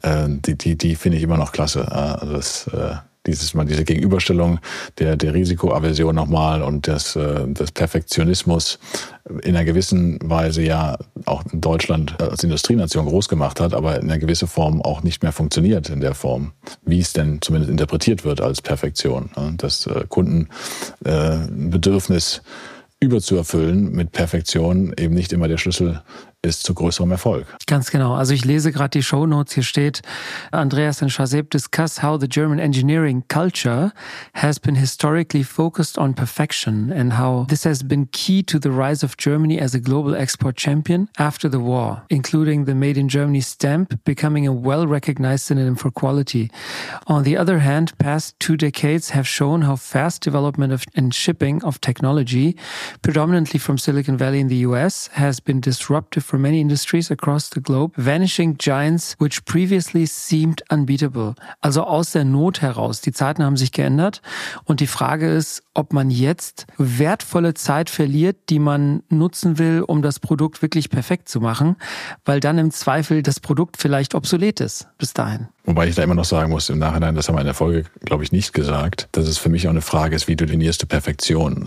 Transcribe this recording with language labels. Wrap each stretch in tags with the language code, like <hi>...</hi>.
<de>Die finde ich immer noch klasse. Also das dieses Mal diese Gegenüberstellung der Risikoaversion nochmal und des Perfektionismus in einer gewissen Weise ja auch in Deutschland als Industrienation groß gemacht hat, aber in einer gewissen Form auch nicht mehr funktioniert in der Form, wie es denn zumindest interpretiert wird als Perfektion. Das Kundenbedürfnis überzuerfüllen mit Perfektion eben nicht immer der Schlüssel ist zu größerem Erfolg. Ganz genau. Also ich lese gerade die Shownotes. Hier steht,</de> <en>Andreas and Shazeb discuss how the German engineering culture has been historically focused on perfection and how this has been key to the rise of Germany as a global export champion after the war, including the Made in Germany stamp becoming a well-recognized synonym for quality. On the other hand, past two decades have shown how fast development of and shipping of technology, predominantly from Silicon Valley in the US, has been disruptive for many industries across the globe, vanishing giants which previously seemed unbeatable.</en> <de>Also aus der Not heraus, die Zeiten haben sich geändert und die Frage ist, ob man jetzt wertvolle Zeit verliert, die man nutzen will, um das Produkt wirklich perfekt zu machen, weil dann im Zweifel das Produkt vielleicht obsolet ist bis dahin. Wobei ich da immer noch sagen muss, im Nachhinein, das haben wir in der Folge, glaube ich, nicht gesagt, dass es für mich auch eine Frage ist, wie du definierst du Perfektion.</de>